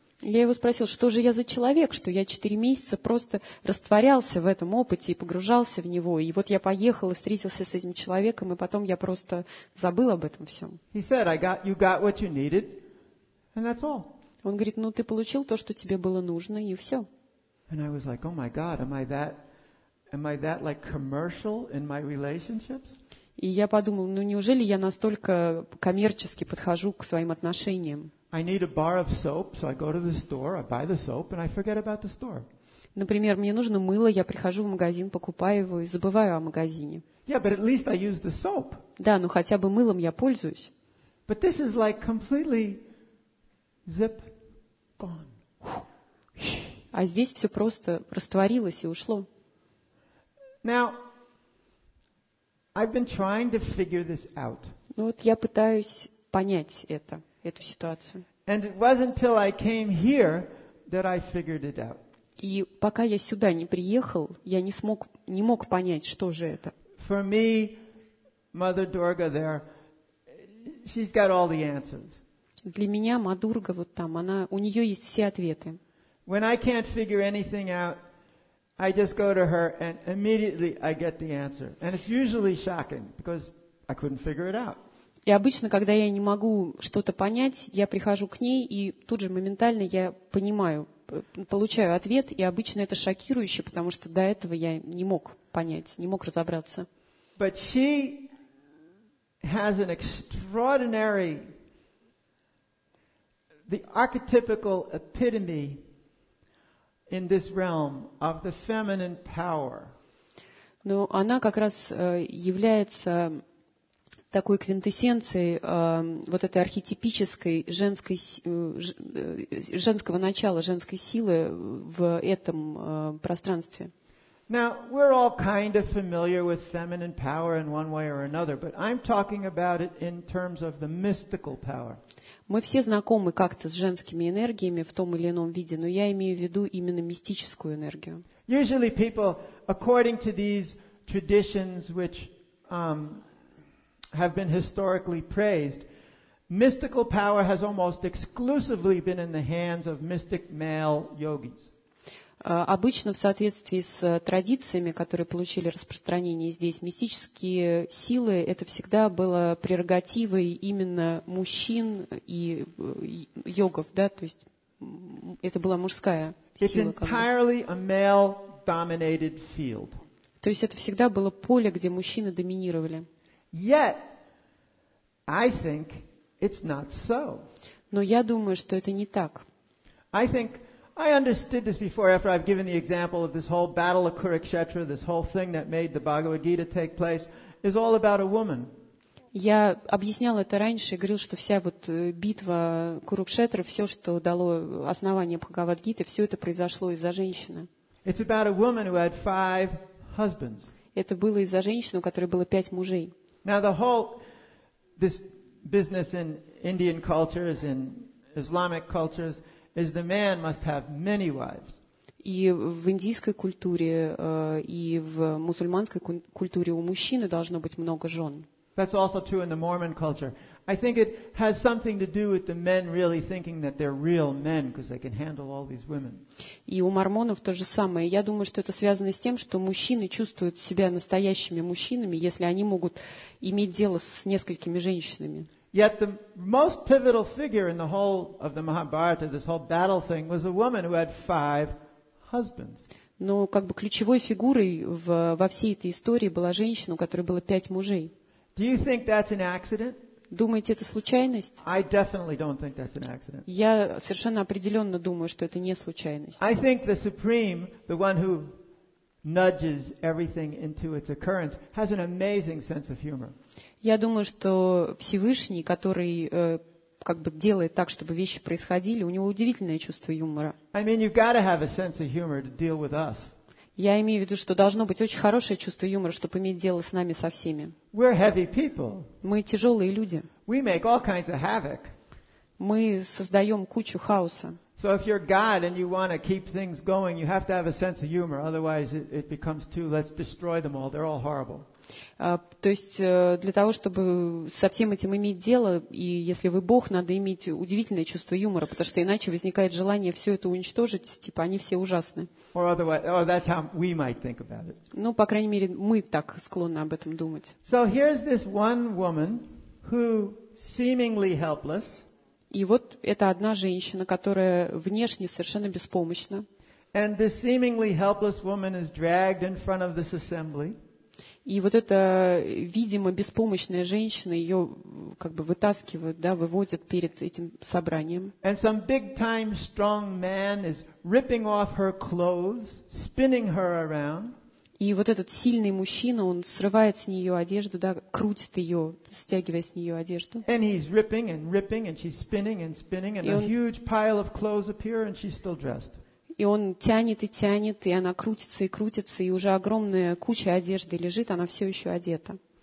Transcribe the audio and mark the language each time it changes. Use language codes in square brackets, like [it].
[ru] Я его спросил, что же я за человек, что я 4 месяца просто растворялся в этом опыте и погружался в него. И вот я поехал и встретился с этим человеком, и потом я просто забыл об этом всем. Он говорит, ну ты получил то, что тебе было нужно, и все. И я был как, о мой Бог, [en] am I that like commercial in my relationships? [ru] И я подумал, ну неужели я настолько коммерчески подхожу к своим отношениям? [en] I need a bar of soap, so I go to the store, I buy the soap, and I forget about the store. [ru] Например, мне нужно мыло, я прихожу в магазин, покупаю его и забываю о магазине. [en] Yeah, but at least I use the soap. [ru] Да, но хотя бы мылом я пользуюсь. [en] But this is like completely zip gone. [ru] А здесь все просто растворилось и ушло. [en] Now, I've been trying to figure this out. [ru] Ну вот я пытаюсь понять это. Эту ситуацию. [en] And it wasn't until I came here that I figured it out. [ru] И пока я сюда не приехал, я не мог понять, что же это. [en] For me, Mother Durga there, she's got all the answers. [ru] Для меня Мадурга вот там, она, у нее есть все ответы. [en] When I can't figure anything out, I just go to her and immediately I get the answer. And it's usually shocking because I couldn't figure it out. [ru] И обычно, когда я не могу что-то понять, я прихожу к ней, и тут же моментально я понимаю, получаю ответ, и обычно это шокирующе, потому что до этого я не мог понять, не мог разобраться. [en] But she has an extraordinary, the archetypical epitome in this realm of the feminine power. [ru] Но она как раз является такой квинтэссенцией вот этой архетипической женского начала, женской силы в этом пространстве. [en] Now, we're all kind of familiar with feminine power in one way or another, but I'm talking about it in terms of the mystical power. [ru] Мы все знакомы как-то с женскими энергиями в том или ином виде, но я имею в виду именно мистическую энергию. [en] Usually people, according to these traditions which have been historically praised, mystical power has almost exclusively been in the hands of mystic male yogis. [ru] Обычно в соответствии с традициями, которые получили распространение здесь, мистические силы, это всегда было прерогативой именно мужчин и йогов, да, то есть это была мужская сила. [en] It's entirely a male-dominated field. [ru] То есть это всегда было поле, где мужчины доминировали. [en] Yet, I think it's not so. [ru] Но я думаю, что это не так. [en] I think I understood this before, after I've given the example of this whole battle of Kurukshetra, this whole thing that made the Bhagavad Gita take place, is all about a woman. [ru] Я объяснял это раньше, говорил, что вся вот битва Курукшетра, все, что дало основание Бхагавад-гиты, все это произошло из-за женщины. [en] It's about a woman who had five husbands. [ru] Это было из-за женщины, у которой было пять мужей. [en] Now the whole this business in Indian cultures, in Islamic cultures, is the man must have many wives. [ru] И в индийской культуре и в мусульманской культуре у мужчины должно быть много жен. [en] That's also true in the Mormon culture. I think it has something to do with the men really thinking that they're real men because they can handle all these women. [ru] И у мормонов то же самое. Я думаю, что это связано с тем, что мужчины чувствуют себя настоящими мужчинами, если они могут иметь дело с несколькими женщинами. [en] Yet the most pivotal figure in the whole of the Mahabharata, this whole battle thing, was a woman who had five husbands. [ru] Но как бы ключевой фигурой во всей этой истории была женщина, у которой было пять мужей. [en] Do you think that's an accident? [ru] Думаете, это случайность? [en] I definitely don't think that's an accident. [ru] Я совершенно определенно думаю, что это не случайность. [en] I think the Supreme, the one who nudges everything into its occurrence, has an amazing sense of humor. [ru] Я думаю, что Всевышний, который как бы делает так, чтобы вещи происходили, у него удивительное чувство юмора. [en] I mean, you've got to have a sense of humor to deal with us. [ru] Я имею в виду, что должно быть очень хорошее чувство юмора, чтобы иметь дело с нами со всеми. [en] We're heavy people. [ru] Мы тяжелые люди. [en] We make all kinds of havoc. [ru] Мы создаем кучу хаоса. [en] So if you're God and you want to keep things going, you have to have a sense of humor, otherwise it becomes too, let's destroy them all, they're all horrible. [ru] То есть для того, чтобы со всем этим иметь дело, и если вы Бог, надо иметь удивительное чувство юмора, потому что иначе возникает желание все это уничтожить, типа они все ужасны. [en] Or that's how we might think about it. [ru] Ну, по крайней мере, мы так склонны об этом думать. [en] So here's this one woman who seemingly helpless. [ru] И вот это одна женщина, которая внешне совершенно беспомощна. [en] And this seemingly helpless woman is dragged in front of this assembly. [ru] И вот эта, видимо, беспомощная женщина, ее как бы вытаскивают, да, выводят перед этим собранием. [en] And some big time strong man is ripping off her clothes, spinning her around. [ru] И вот этот сильный мужчина, он срывает с нее одежду, да, крутит ее, стягивая с нее одежду. [en] And he's ripping and ripping and she's spinning and spinning and a huge pile of clothes appear and she's still dressed. [ru] И он тянет и тянет, и она крутится и крутится, и уже огромная куча одежды лежит, она все еще одета.